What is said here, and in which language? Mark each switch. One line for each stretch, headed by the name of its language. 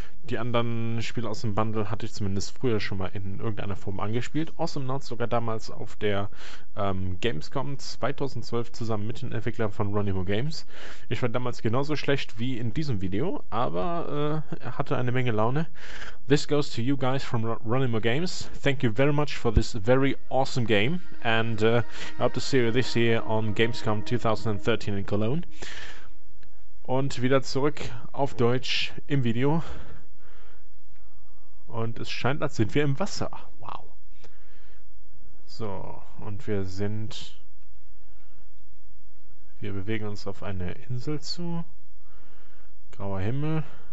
German: Die anderen Spiele aus dem Bundle hatte ich zumindest früher schon mal in irgendeiner Form angespielt. Awesome Nauts sogar damals auf der Gamescom 2012 zusammen mit den Entwicklern von Ronimo Games. Ich war damals genauso schlecht wie in diesem Video, aber er hatte eine Menge Laune.
English: This goes to you guys from Ronimo Games. Thank you very much for this very awesome game. And I hope to see you this year on Gamescom 2013 in Cologne.
German: Und wieder zurück auf Deutsch im Video. Und es scheint, als sind wir im Wasser. Wow. So, und wir sind... Wir bewegen uns auf eine Insel zu. Grauer Himmel.